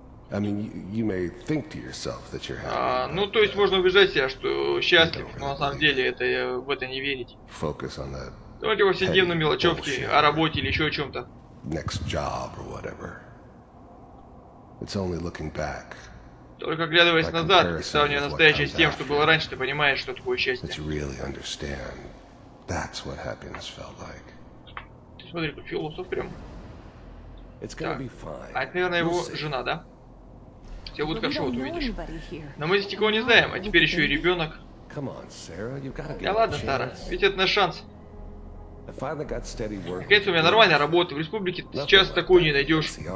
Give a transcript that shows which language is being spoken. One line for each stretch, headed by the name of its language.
Russian: Ну, то есть можно убеждать себя, что счастлив, но на самом деле это в это не верить.
English: Focus on that.
Russian: Давайте повседневной мелочевке, о работе или еще о чем-то.
English: Next job or whatever. It's only looking back.
Russian: Только глядываясь назад, сравнивая настоящее с тем, что было раньше, ты понимаешь, что такое счастье.
English: It's really understand. That's what happiness felt like.
Russian: Ты смотри, как философ прям.
English: It's gonna be fine.
Russian: А это, наверное, его жена, да? Все будет хорошо, вот увидишь. Но мы здесь никого не знаем, а теперь еще и ребенок. Да ладно, Сара, ведь это наш шанс. Наконец-то у меня нормальная работа, в республике ты сейчас такую не найдешь.